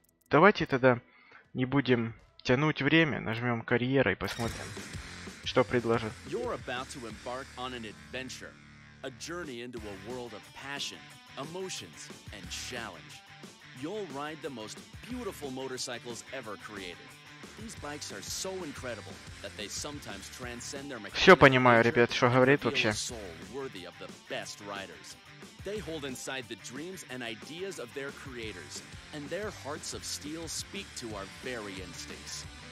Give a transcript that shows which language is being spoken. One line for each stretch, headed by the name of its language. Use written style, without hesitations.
Russian: Давайте тогда не будем тянуть время, нажмем карьера и посмотрим, что предложат.
English: You're about to embark on an adventure, a journey into a world of passion, emotions and challenge. You'll ride the most beautiful motorcycles ever created. These bikes are so incredible that they sometimes transcend their mechanics.
Russian: Все понимаю, ребят, что говорит вообще.
English: Worthy of the best riders. They hold inside the dreams and ideas of their creators, and their hearts of steel speak to our very instincts.